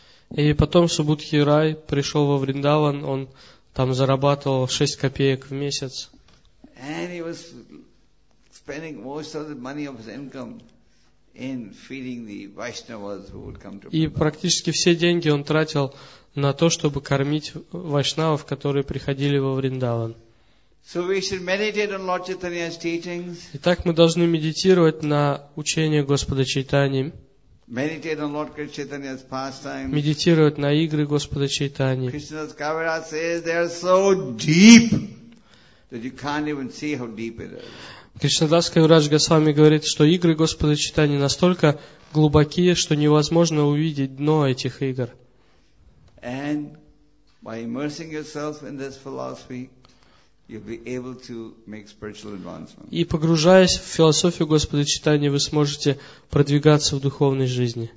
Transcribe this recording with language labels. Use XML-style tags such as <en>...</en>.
<ru>И потом Субудхи Рай пришел во Вриндаван, он там зарабатывал 6 копеек в месяц.</ru> <en>And he was spending most of the money of his income in feeding the Vaishnavas who would come to Vrindavan.</en> <ru>И практически все деньги он тратил на то, чтобы кормить вайшнавов, которые приходили во Вриндаван.</ru> <en>So we should meditate on Lord Chaitanya's teachings.</en> <ru>Итак, мы должны медитировать на учение Господа Чайтаньи.</ru> <en>Meditate on Lord Chaitanya's pastimes.</en> <ru>Медитировать на игры Господа Чайтаньи.</ru> <en>Krishna's Kaviraj says they are so deep. That you can't even see how deep it is.</en> <ru>Кришнадас Кавирадж Госвами говорит, что игры Господа Чайтаньи настолько глубокие, что невозможно увидеть дно этих игр.</ru> <en>And by immersing yourself in this philosophy, you'll be able to make spiritual advancement.</en> <ru>И погружаясь в философию Господа Чайтаньи, вы сможете продвигаться в духовной жизни.</ru>